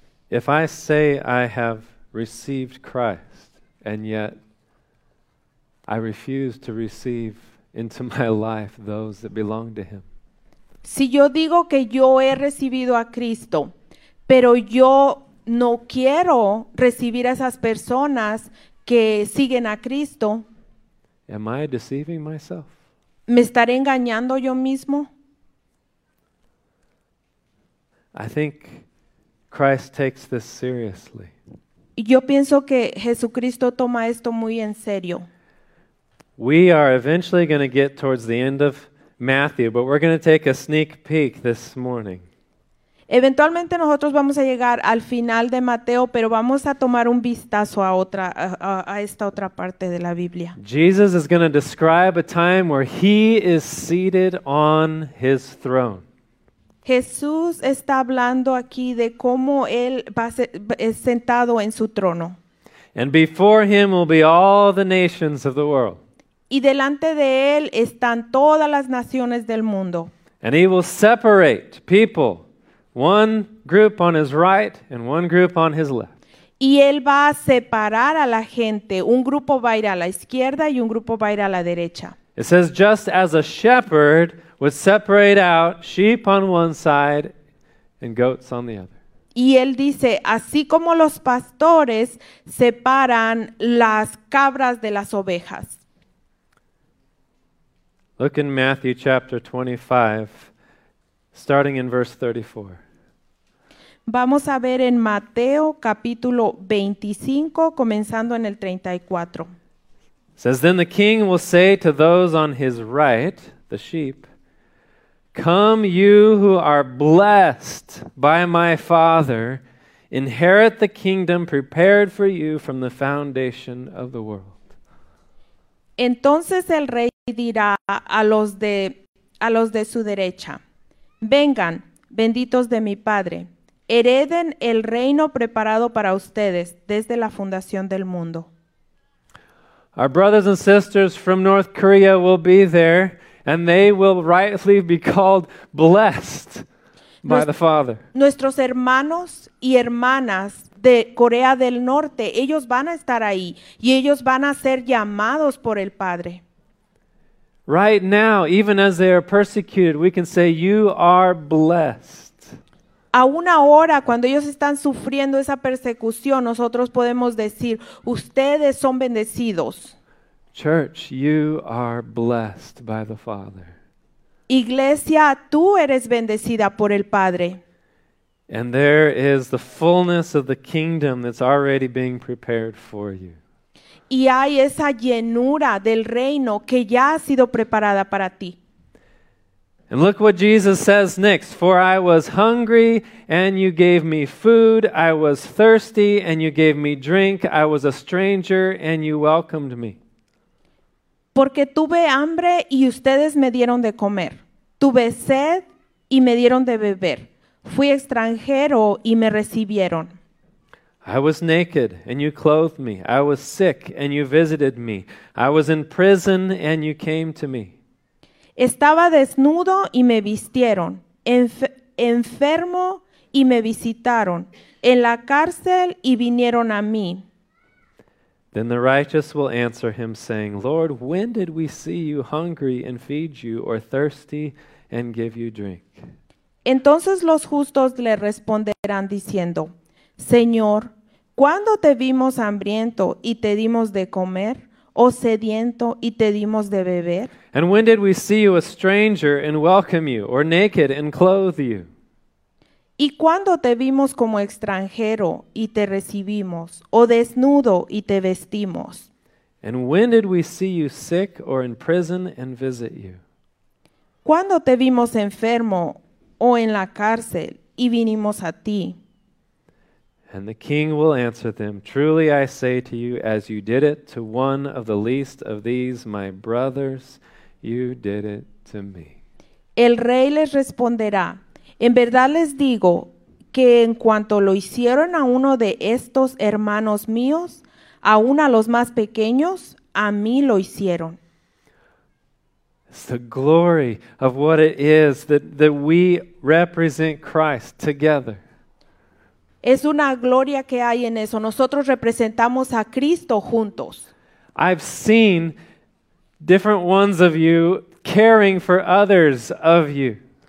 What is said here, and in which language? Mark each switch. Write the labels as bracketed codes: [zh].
[en] If I say I have received Christ and yet I refuse to receive into my life those that belong to him. [es] Si yo digo que yo he recibido a Cristo, pero yo no quiero recibir a esas personas que siguen a Cristo. [en] Am I deceiving myself? [es] ¿Me estaré engañando yo mismo? [en] I think Christ takes this seriously. [es] Yo pienso que Jesucristo toma esto muy en serio. [en] We are eventually going to get towards the end of Matthew, but we're going to take a sneak peek this morning. [es] Eventualmente nosotros vamos a llegar al final de Mateo, pero vamos a tomar un vistazo a esta otra parte de la Biblia. [en] Jesus is going to describe a time where he is seated on his throne. [es] Jesús está hablando aquí de cómo él va a ser sentado en su trono. [en] And before him will be all the nations of the world. [es] Y delante de él están todas las naciones del mundo. [en] And he will separate people, one group on his right and one group on his left. [es] Y él va a separar a la gente. Un grupo va a ir a la izquierda y un grupo va a ir a la derecha. [en] It says, just as a shepherd would separate out sheep on one side and goats on the other. [es] Y él dice, así como los pastores separan las cabras de las ovejas. [en] Look in Matthew chapter 25, starting in verse 34. [es] Vamos a ver en Mateo capítulo 25, comenzando en el 34. [en] It says, then the king will say to those on his right, the sheep, come you who are blessed by my Father, inherit the kingdom prepared for you from the foundation of the world. [es] Entonces el rey dirá a los de su derecha, vengan, benditos de mi Padre, hereden el reino preparado para ustedes desde la fundación del mundo. [en] Our brothers and sisters from North Korea will be there, and they will rightly be called blessed by the Father. [es] Nuestros hermanos y hermanas de Corea del Norte, ellos van a estar ahí, y ellos van a ser llamados por el Padre. [en] Right now, even as they are persecuted, we can say, you are blessed. [es] Aún ahora, cuando ellos están sufriendo esa persecución, nosotros podemos decir, ustedes son bendecidos. [en] Church, you are blessed by the Father. [es] Iglesia, tú eres bendecida por el Padre. [en] And there is the fullness of the kingdom that's already being prepared for you. [es] Y hay esa llenura del reino que ya ha sido preparada para ti. [en] And look what Jesus says next. For I was hungry and you gave me food. I was thirsty and you gave me drink. I was a stranger and you welcomed me. [es] Porque tuve hambre y ustedes me dieron de comer. Tuve sed y me dieron de beber. Fui extranjero y me recibieron. [en] I was naked and you clothed me. I was sick and you visited me. I was in prison and you came to me. [es] Estaba desnudo y me vistieron. Enfermo y me visitaron. En la cárcel y vinieron a mí. [en] Then the righteous will answer him, saying, Lord, when did we see you hungry and feed you, or thirsty and give you drink? [es] Entonces los justos le responderán diciendo, Señor, ¿cuándo te vimos hambriento y te dimos de comer, o sediento y te dimos de beber? [en] And when did we see you a stranger and welcome you, or naked and clothe you? [es] ¿Y cuándo te vimos como extranjero y te recibimos, o desnudo y te vestimos? [en] And when did we see you sick or in prison and visit you? [es] ¿Cuándo te vimos enfermo o en la cárcel y vinimos a ti? [en] And the king will answer them, truly I say to you, as you did it to one of the least of these, my brothers, you did it to me. [es] El rey les responderá, en verdad les digo que en cuanto lo hicieron a uno de estos hermanos míos, aun a los más pequeños, a mí lo hicieron. [en] It's the glory of what it is that we represent Christ together. [es] Es una gloria que hay en eso. Nosotros representamos a Cristo juntos. [en] I've seen different ones of you caring for others of you.